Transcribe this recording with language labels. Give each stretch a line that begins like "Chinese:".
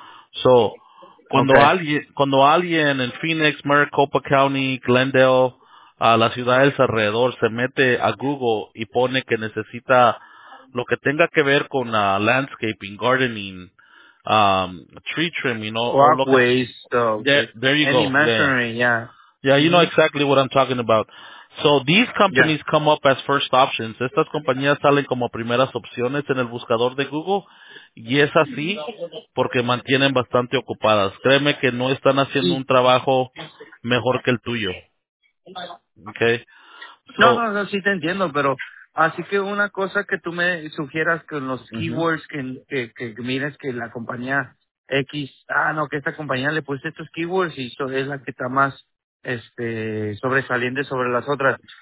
Spanish: So, cuando alguien en Phoenix, Maricopa County, Glendale, a las ciudades alrededor, se mete a Google y pone que necesita lo que tenga que ver con
English: landscaping, gardening, tree trimming, walkways, masonry. Yeah, you know exactly what I'm talking about. So these companies come up as first options.
Spanish: Estas compañías salen como primeras opciones en el buscador de Google. Y es así porque mantienen bastante ocupadas. Créeme que no están haciendo un trabajo mejor que el tuyo.
English: Okay.
Spanish: No, sí te entiendo, pero así que una cosa que tú me sugieras con los keywords que mires que la compañía X, que esta compañía le puse estos keywords y esto es la que está más sobresaliente sobre las otras.